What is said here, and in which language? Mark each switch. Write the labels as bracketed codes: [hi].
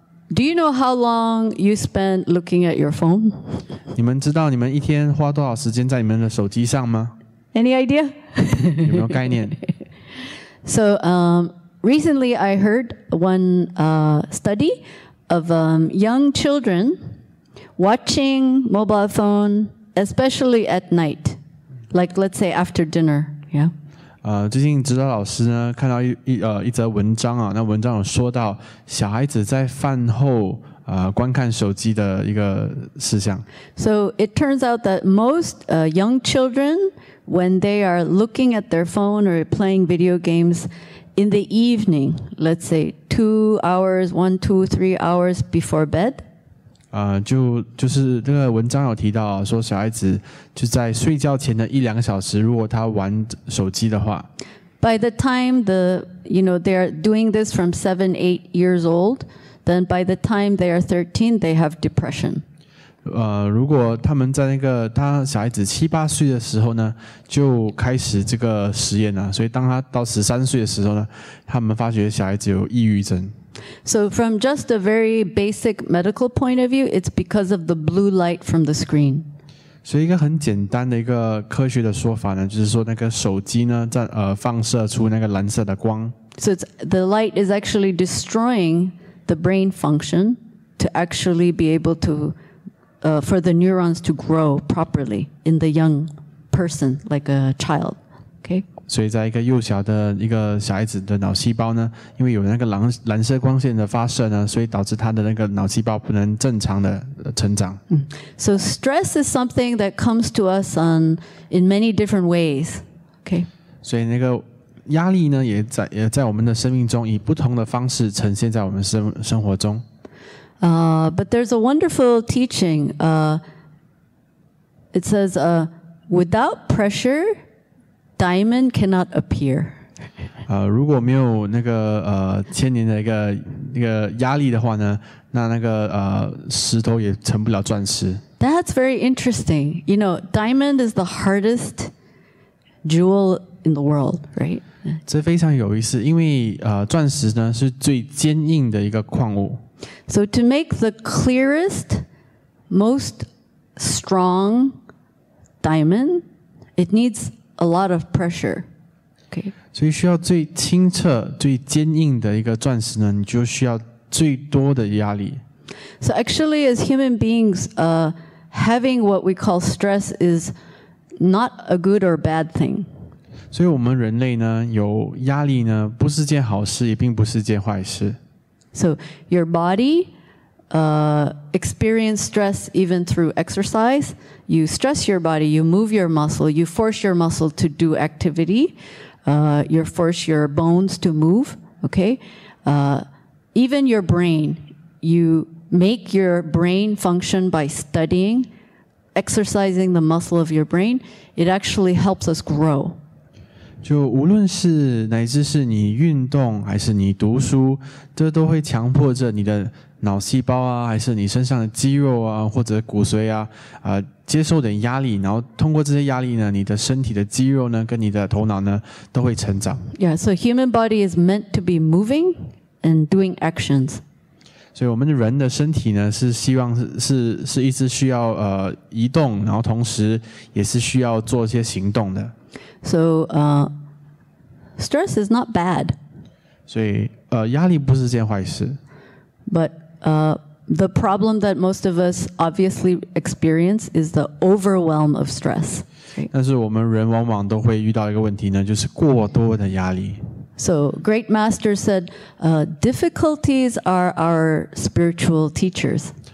[en] Do you know how long you spend looking at your phone? [zh] 你们知道你们一天花多少时间在你们的手机上吗 [en] ？Any idea? [zh] 有没有概念 [en] ？So, recently I heard one study of young children watching mobile phone, especially at night.Like, let's say after dinner, yeah? [zh] 最近指导老师呢看到 一则文章啊，那文章有说到小孩子在饭后观看手机的一个事项。 [en] So it turns out that most young children, when they are looking at their phone or playing video games in the evening, let's say 2 hours, 1, 2, 3 hours before bed. [zh] 就是这个文章有提到说小孩子就在睡觉前的一两个小时，如果他玩手机的话。 [en] By the time they are doing this from 7, 8 years old. Then by the time they are 13, they have depression. [zh] 如果他们在那个他小孩子七八岁的时候呢，就开始这个实验了。所以当他到13岁的时候呢，他们发觉小孩子有抑郁症。 [en] So from just a very basic medical point of view, it's because of the blue light from the screen. [zh] 所以一个很简单的一个科学的说法呢，就是说那个手机呢在放射出那个蓝色的光。 [en] So the light is actually destroying. The brain function to actually be able to, for the neurons to grow properly in the young person, like a child. Okay. [zh] 所以在一个幼小的一个小孩子的脑细胞呢，因为有那个蓝色光线的发射呢，所以导致他的那个脑细胞不能正常的成长。 [en] So stress is something that comes to us in many different ways. Okay. [zh] 所以那个。压力呢也在我们的生命中以不同的方式呈现在我们生活中。 [en] But there's a wonderful teaching. It says, without pressure, diamond cannot appear. [zh] 如果没有那个千年的一个那个压力的话呢，那个石头也成不了钻石。 [en] That's very interesting. You know, diamond is the hardest jewel in the world, right? [zh] 这非常有意思，因为钻石呢是最坚硬的一个矿物。 [en] So to make the clearest, most strong diamond, it needs a lot of pressure. Okay. [zh] 所以需要最清澈、最坚硬的一个钻石呢，你就需要最多的压力。 [en] So actually, as human beings, having what we call stress is not a good or bad thing. [zh] 所以我们人类呢有压力呢不是件好事也并不是件坏事。 [en] So your body experience stress even through exercise. You stress your body, you move your muscle, you force your muscle to do activity, you force your bones to move, okay? Even your brain, you make your brain function by studying, exercising the muscle of your brain. It actually helps us grow. [zh] 就无论是乃至是你运动还是你读书，这都会强迫着你的脑细胞啊，还是你身上的肌肉啊，或者骨髓啊，接受点压力，然后通过这些压力呢，你的身体的肌肉呢，跟你的头脑呢，都会成长。 [en] Yeah, so human body is meant to be moving and doing actions. [zh] 所以我们人的身体呢，是希望是一直需要移动，然后同时也是需要做一些行动的。 [en] So, stress is not bad. [zh] 所以压力不是件坏事。 [en] But the problem that most of us obviously experience is the overwhelm of stress. [zh] 但是我们人往往都会遇到一个问题呢，就是过多的压力。 [en] So, great master said, difficulties are our spiritual teachers.